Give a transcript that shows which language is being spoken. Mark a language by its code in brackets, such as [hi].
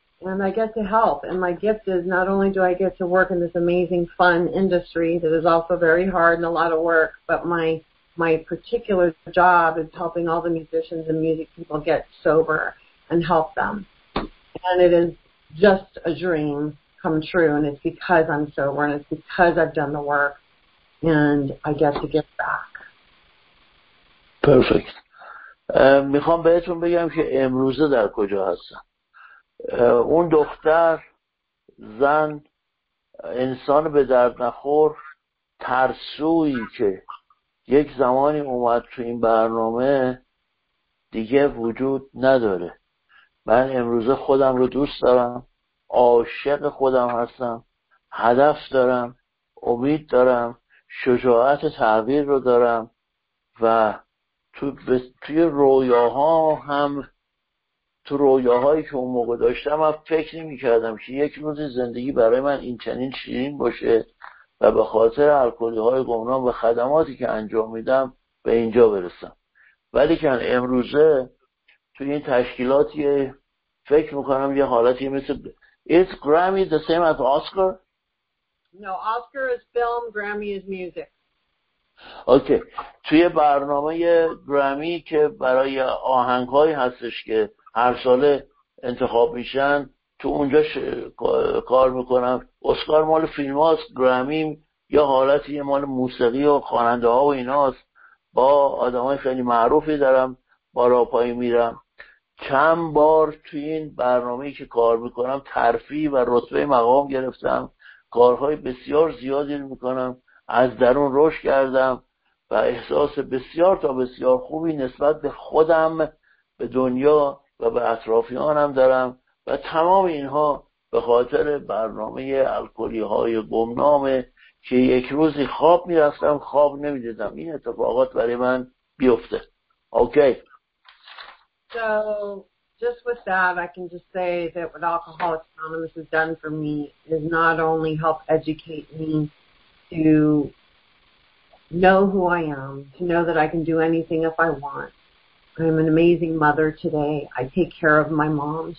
[en] And I get to help. And my gift is not only do I get to work in this amazing, fun industry that is also very hard and a lot of work, but my particular job is helping all the musicians and music people get sober and help them. And it is just a dream come true, and it's because I'm sober, and it's because I've done the work, and I get to give back. Perfect. [fa] میخوام بهتون بگم که امروزه در کجا هستم. اون دختر، زن، انسان به درد نخور، ترسویی که یک زمانی اومد تو این برنامه دیگه وجود نداره. من امروزه خودم رو دوست دارم، عاشق خودم هستم، هدف دارم، امید دارم، شجاعت تغییر رو دارم و توی رویاها هم، تو رویاهایی که اون موقع داشتم من فکر نمی کردم که یک روز زندگی برای من این چنین شیرین باشه و به خاطر الکلی های گمنام و خدماتی که انجام میدم به اینجا برسم. ولی که امروزه توی این تشکیلاتی فکر میکنم یه حالتی مثل [en] Is Grammy the same as Oscar? No, Oscar is film, Grammy is music. Okay. [fa] توی برنامه گرامی که برای آهنگ‌هایی هستش که هر ساله انتخاب میشن، تو اونجا کار میکنم. اسکار مال فیلم‌هاست، گرامی یا حالتی مال موسیقی و خواننده‌ها و ایناست. با آدمای خیلی معروفی دارم بالا پای میرم. چند بار توی این برنامه‌ای که کار میکنم ترفیع و رتبه مقام گرفتم، کارهای بسیار زیادی میکنم، از درون رشد کردم و احساس بسیار تا بسیار خوبی نسبت به خودم، به دنیا و به اطرافیانم دارم و تمام اینها به خاطر برنامه الکلی‌های گمنامه که یک روزی خواب میرفتم خواب نمیدیدم این اتفاقات برای من بیفته. اوکی. [en] So, just just with that, I can just say that what Alcoholics Anonymous has done for me is not only help educate me to know who I am, to know that I can do anything if I want. I'm an amazing mother today. I take care of my mom.